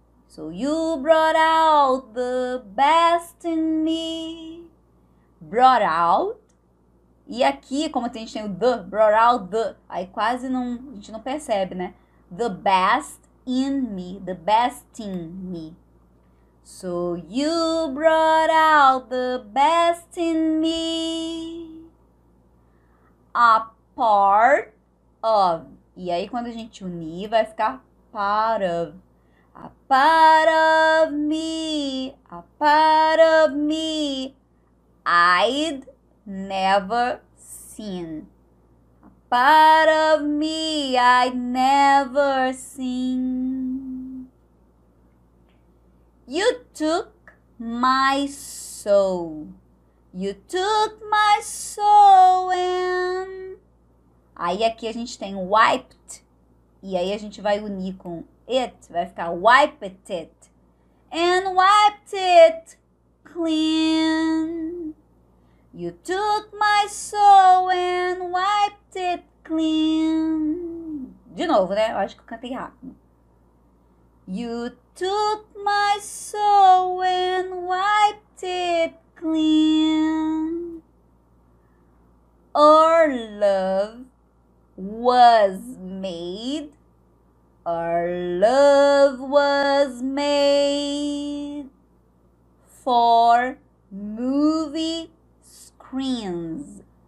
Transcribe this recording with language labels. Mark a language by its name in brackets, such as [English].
[English] So you brought out the best in me. Brought out. [Portuguese] E aqui, como a gente tem o the, [English] brought out the. [Portuguese] Aí quase não, a gente não percebe, né? [English] The best in me. The best in me. So you brought out the best in me. A part of. [Portuguese] E aí quando a gente unir vai ficar [English] part of. A part of me. A part of me. I'd never seen. A part of me I'd never seen. You took my soul. You took my soul and... [Portuguese] Aí aqui a gente tem wiped. E aí a gente vai unir com it. Vai ficar [English] wiped it. And wiped it clean. You took my soul and wiped it clean. [Portuguese] De novo, né? Eu acho que eu cantei rápido. [English] You took my soul and wiped it clean. Our love was made. Our love was made for movie screens.